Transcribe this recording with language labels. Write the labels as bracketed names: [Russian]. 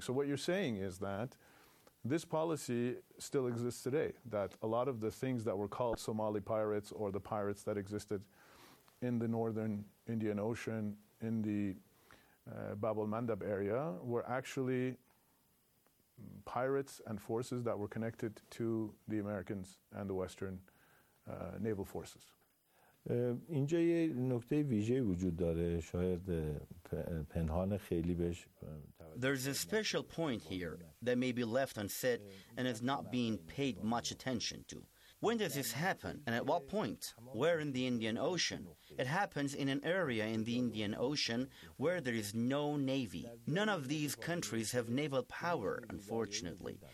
[English] So what you're saying is that this policy still exists today, that a lot of the things that were called Somali pirates or the pirates that existed in the northern Indian Ocean, in the Bab al-Mandab area, were actually pirates and forces that were connected to the Americans and the Western naval forces. [Persian] اینجا یه نکته ویژه وجود داره شاید پنهان خیلی بهش [English] There's a special point here that may be left unsaid and is not being paid much attention to. When does this happen, and at what point? Where in the Indian Ocean? It happens in an area in the Indian Ocean where there is no navy. None of these countries have naval power, unfortunately.